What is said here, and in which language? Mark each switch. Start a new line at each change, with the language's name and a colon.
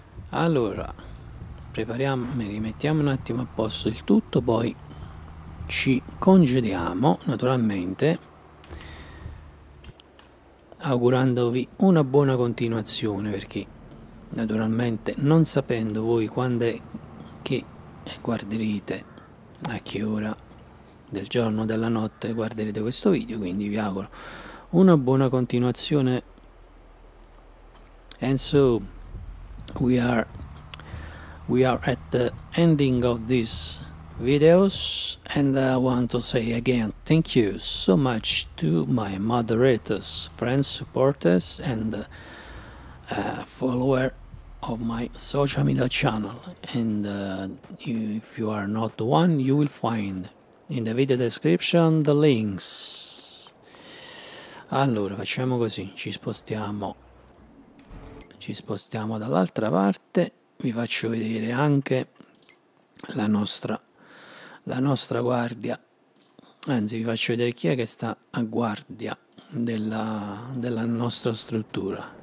Italian: Allora, prepariamo, rimettiamo un attimo a posto il tutto, poi ci congediamo naturalmente augurandovi una buona continuazione, perché naturalmente non sapendo voi quando è che guarderete, a che ora del giorno o della notte guarderete questo video, quindi vi auguro una buona continuazione.
English: And so we are at the ending of this videos, and I want to say again thank you so much to my moderators, friends, supporters and follower of my social media channel, and if you are not one, you will find in the video description the links.
Italian: Allora, facciamo così, ci spostiamo dall'altra parte, vi faccio vedere anche la nostra guardia, anzi vi faccio vedere chi è che sta a guardia della nostra struttura.